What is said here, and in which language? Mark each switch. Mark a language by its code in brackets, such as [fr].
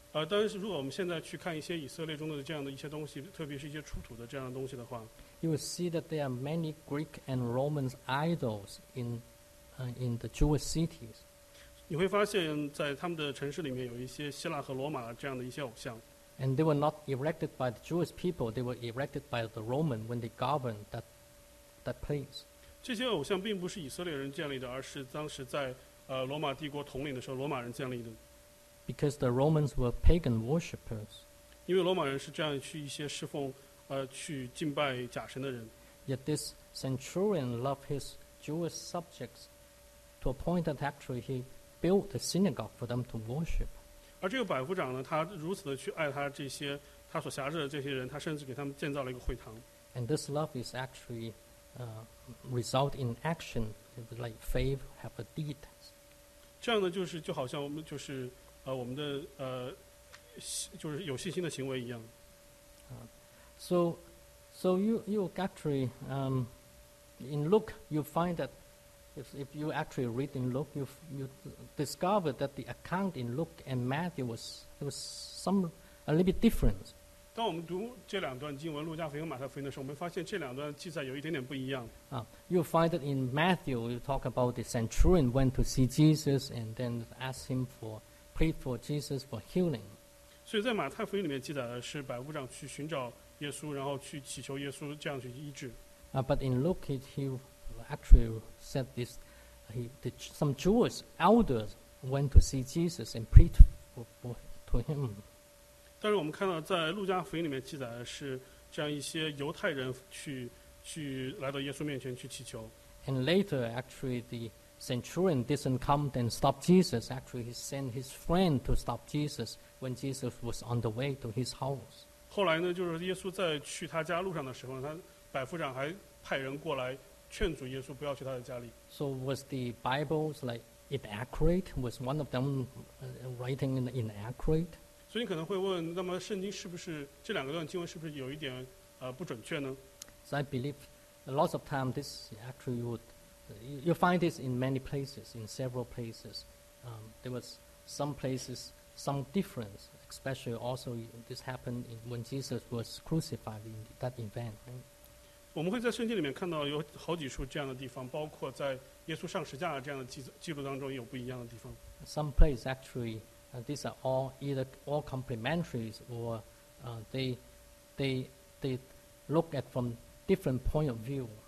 [zh] 但是如果我们现在去看一些以色列中的这样的一些东西，特别是一些出土的这样的东西的话， [en] you will see that there are many Greek and Roman idols in the Jewish cities. [zh] 你会发现在他们的城市里面有一些希腊和罗马这样的一些偶像。 [en] And they were not erected by the Jewish people, they were erected by the Roman when they governed that place. [zh] 这些偶像并不是以色列人建立的，而是当时在罗马帝国统领的时候罗马人建立的。 [en] Because the Romans were pagan worshippers. [zh] 因为罗马人是这样去一些侍奉去敬拜假神的人。 [en] Yet this centurion loved his Jewish subjects to a point that actually he built a synagogue for them to worship. [zh] 而这个百夫长呢，他如此的去爱他这些他所辖制的这些人，他甚至给他们建造了一个会堂。 [en] And this love is actually result in action, like faith have a deed. [zh] 这样呢，就是就好像我们就是我们的就是有信心的行为一样。 [en] So you actually in Luke you find that if you actually read in Luke you discover that the account in Luke and Matthew was some a little bit different. [zh] 当我们读这两段经文路加福音和马太福音的时候，我们发现这两段记载有一点点不一样。 [en] You find that in Matthew you talk about the centurion went to see Jesus and then asked him prayed for Jesus for healing. [zh] 所以在马太福音里面记载的是百夫长去寻找耶稣，然后去祈求耶稣这样去医治。 [en] But in Luke, he actually said this. Some Jewish elders went to see Jesus and prayed to him. [zh] 但是我们看到在路加福音里面记载的是这样一些犹太人去来到耶稣面前去祈求。 [en] And later, actually, the centurion didn't come and stop Jesus. Actually, he sent his friend to stop Jesus when Jesus was on the way to his house. [zh] 后来呢，就是耶稣在去他家路上的时候，他百夫长还派人过来劝阻耶稣不要去他的家里。 [en] So was the Bible like inaccurate? Was one of them writing inaccurate? [zh] 所以你可能会问，那么圣经是不是这两个段经文是不是有一点不准确呢 [en] ？So I believe a lot of time this actually would you find this in many places, in several places. There was some places some difference. Especially also this happened when Jesus was crucified in that event. [zh] 我们会在圣经里面看到有好几处这样的地方，包括在耶稣上十字架这样的记录当中有不一样的地方。 [en] Some places actually, these are all either all complementary or they look at from different point of view.